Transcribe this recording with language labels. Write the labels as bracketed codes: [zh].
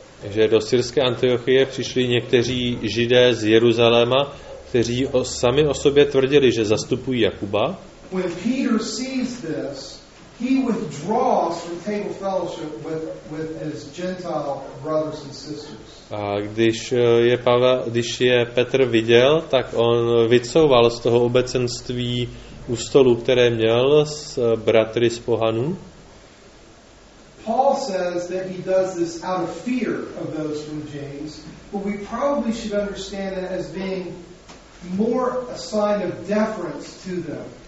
[cs] Že do syrské Antiochie přišli někteří Židé z Jeruzaléma, kteří sami o sobě tvrdili, že zastupují Jakuba. [en] When Peter sees this, he withdraws from table fellowship with his Gentile brothers and sisters. [cs] A když je Petr viděl, tak on vycouval z toho obecenství u stolu, které měl s bratry z pohanů. [en] Paul says that he does this out of fear of those from James, but we probably should understand that as being more a sign of deference to them.